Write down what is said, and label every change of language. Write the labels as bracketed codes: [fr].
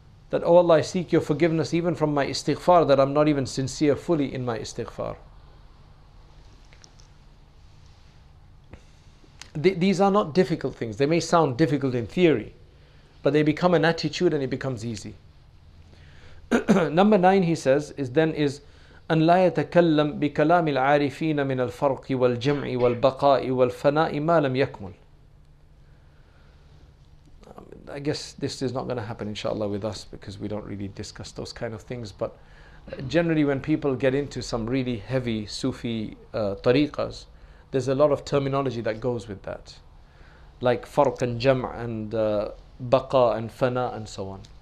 [en] That, oh Allah, I seek your forgiveness even from my istighfar, that I'm not even sincere fully in my istighfar. These are not difficult things. They may sound difficult in theory, but they become an attitude and it becomes easy. Number nine, he says, is [ar] أن لا يتكلم بكلام العارفين من الفرق والجمع والبقاء والفناء ما لم يكمل. [en] I guess this is not going to happen, inshallah, with us, because we don't really discuss those kind of things. But generally, when people get into some really heavy Sufi tariqas, there's a lot of terminology that goes with that, like فرق and جمع and بقاء and فناء and so on.